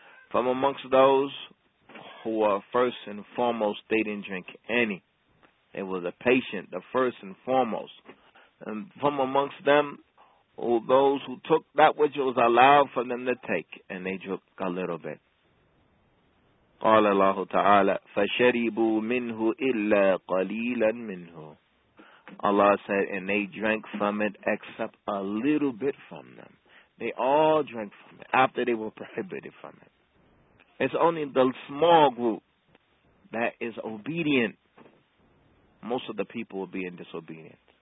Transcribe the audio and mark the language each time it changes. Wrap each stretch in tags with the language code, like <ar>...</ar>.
<en>From amongst those who are first and foremost, they didn't drink any. It was a patient, the first and foremost. And from amongst them, those who took that which was allowed for them to take, and they drank a little bit.</en> <ar>قال الله تعالى فشربوا منه إلا قليلا منه.</ar> <en>Allah said, and they drank from it except a little bit from them. They all drank from it after they were prohibited from it. It's only the small group that is obedient. Most of the people are being disobedient.</en>